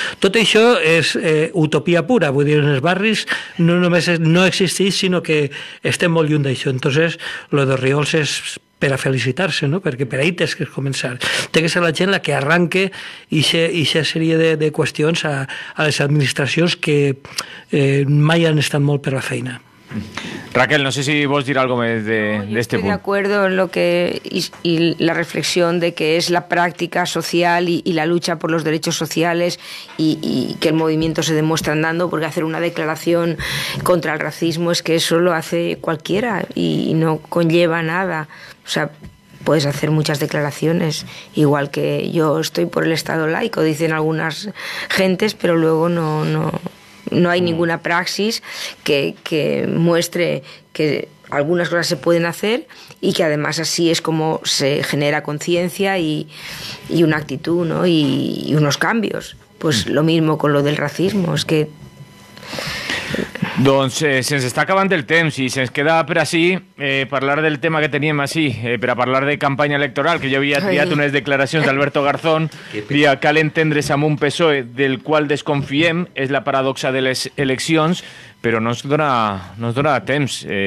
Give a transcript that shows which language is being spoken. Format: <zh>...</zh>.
<ca>Tot això és utopia pura. Vull dir, en els barris no només no existeix, sinó que estem molt lluny d'això. Entonces, lo de Riols és per a felicitar-se, no? Perquè per ahí tens que començar. Té que ser la gent la que arranque ixa sèrie de qüestions a les administracions que mai han estat molt per la feina. Raquel, no sé si vos dir algo més de no, este punt.</ca> <es>De acuerdo en lo que y la reflexión de que es la práctica social y la lucha por los derechos sociales y que el movimiento se demuestra andando, porque hacer una declaración contra el racismo es que eso lo hace cualquiera y no conlleva nada. O sea, puedes hacer muchas declaraciones, igual que yo estoy por el Estado laico, dicen algunas gentes, pero luego no hay ninguna praxis que muestre que algunas cosas se pueden hacer y que además así es como se genera conciencia y una actitud, ¿no? Y unos cambios. Pues lo mismo con lo del racismo, es que...</es> <ca>Doncs se'ns està acabant el temps i se'ns queda per així parlar del tema que teníem així, per a parlar de campanya electoral, que jo havia triat unes declaracions d'Alberto Garzón, que cal entendre's amb un PSOE del qual desconfiem, és la paradoxa de les eleccions, però no ens dona temps.</ca>